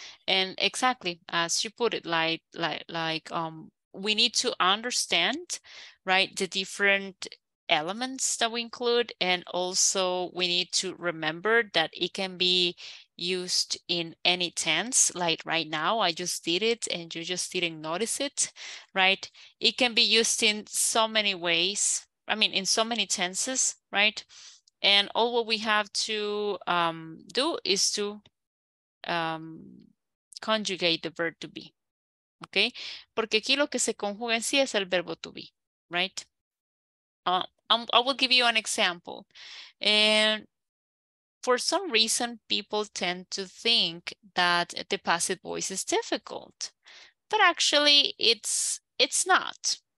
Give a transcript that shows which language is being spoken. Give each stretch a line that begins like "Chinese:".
English: And exactly as you put it, like we need to understand, right, the different elements that we include, and also we need to remember that it can be used in any tense, like right now I just did it and you just didn't notice it, right? It can be used in so many ways, I mean in so many tenses, right? And all what we have to do is to conjugate the verb to be, okay?
Spanish: Porque aquí lo que se conjuga en sí es el verbo to be, right?
English: I will give you an example. And for some reason, people tend to think that the passive voice is difficult, but actually it's not.